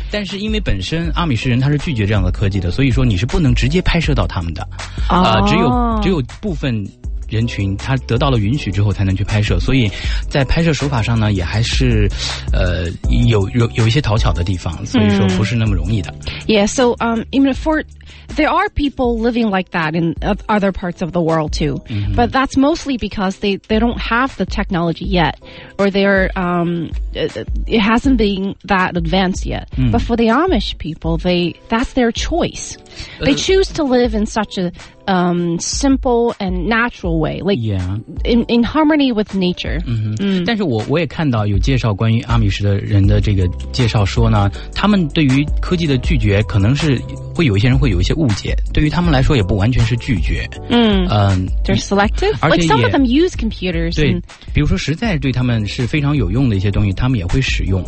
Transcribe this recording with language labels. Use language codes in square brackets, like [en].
[zh] 但是因为本身阿米士人他是拒绝这样的科技的，所以说你是不能直接拍摄到他们的、只有部分人群他得到了允许之后才能去拍摄，所以在拍摄手法上呢也还是有一些讨巧的地方，所以说不是那么容易的。 [en] Yeah, so there are people living like that in other parts of the world too、mm-hmm. but that's mostly because they don't have the technology yet or it hasn't been that advanced yet、mm-hmm. but for the Amish people that's their choice、they choose to live in such a、simple and natural way like、 yeah. in harmony with nature、 mm-hmm. mm-hmm. [zh] 但是我也看到有介绍关于阿米什的人的这个介绍说呢，他们对于科技的拒绝可能是会有一些人会有一些误解，对于他们来说也不完全是拒绝。 [en] They're selective. Like some of them use computers. [zh] 对，比如说实在对他们是非常有用的一些东西，他们也会使用。